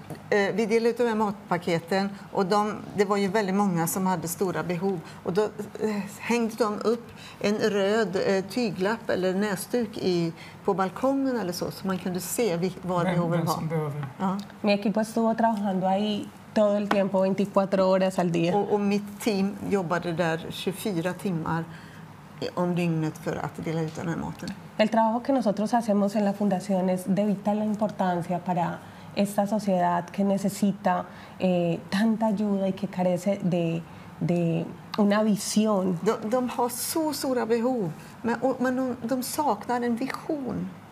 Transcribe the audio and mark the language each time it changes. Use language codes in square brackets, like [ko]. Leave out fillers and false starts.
[sv] Vi delade ut de matpaketen och det var ju väldigt många som hade stora behov. Och då hängde de upp en röd tyglapp eller näsduk på balkongen eller så, så man kunde se var behoven var. [es] Mi equipo estuvo trabajando ahí todo el tiempo, 24 horas al día. [sv] Och mitt team jobbade där 24 timmar om dygnet för att dela ut den här maten. [es] El trabajo que nosotros hacemos en la fundación es de vital importancia para esta sociedad que necesita tanta ayuda y que carece de una visión. [sv] De har så stora behov, men de saknar en vision.